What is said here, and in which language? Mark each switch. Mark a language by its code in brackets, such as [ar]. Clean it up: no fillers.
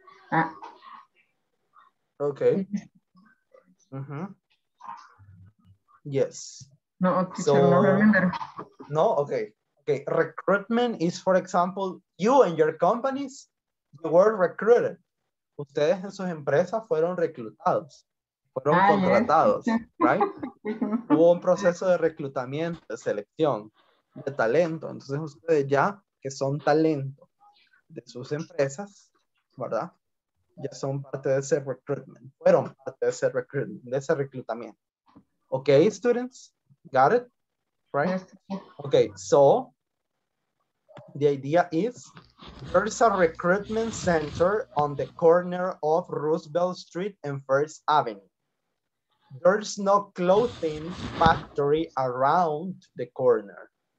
[en] Ah. Ok. Uh-huh. Yes. No, so, no, okay. Okay. Recruitment is, for example, you and your companies were recruited. [es] Ustedes en sus empresas fueron reclutados, fueron contratados, [en] yes. Right? [es] Hubo un proceso de reclutamiento, de selección, de talento. Entonces ustedes ya que son talento de sus empresas, ¿verdad? Ya son parte de ese recruitment, fueron parte de ese recruitment, de ese reclutamiento. [en] Okay, students. Got it, right? Okay, so the idea is there's a recruitment center on the corner of Roosevelt Street and First Avenue. There's no clothing factory around the corner.